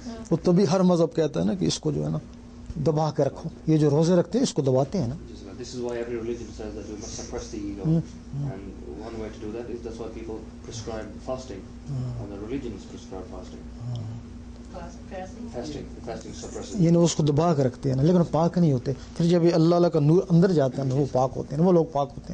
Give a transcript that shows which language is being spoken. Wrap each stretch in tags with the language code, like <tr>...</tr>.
<hi>वो तो भी हर मजहब कहता है ना कि इसको जो है ना दबा के रखो. ये जो रोजे रखते हैं इसको दबाते हैं ना.</hi> <en>This is why every religion says that we must suppress the ego. And one way to do that is that's why people prescribe fasting. And the religions prescribe fasting.</en> <hi>यानी उसको दबा कर रखते हैं ना लेकिन पाक नहीं होते फिर जब अल्लाह का नूर अंदर जाता है ना वो पाक होते हैं ना वो लोग पाक होते</hi>